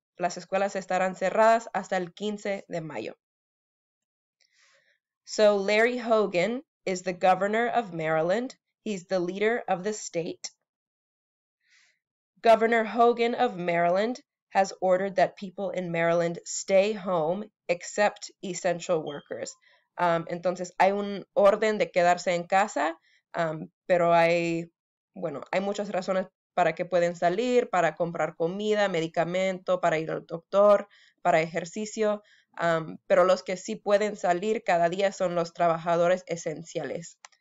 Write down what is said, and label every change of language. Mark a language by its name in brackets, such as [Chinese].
[Spanish] Las escuelas estarán cerradas hasta el 15 de mayo. [English] So Larry Hogan is the governor of Maryland. He's the leader of the state. Governor Hogan of Maryland has ordered that people in Maryland stay home except essential workers. [Spanish] Entonces hay un orden de quedarse en casa, pero hay muchas razones para que pueden salir, para comprar comida, medicamento, para ir al doctor, para ejercicio. Pero los que sí pueden salir cada día son los trabajadores esenciales.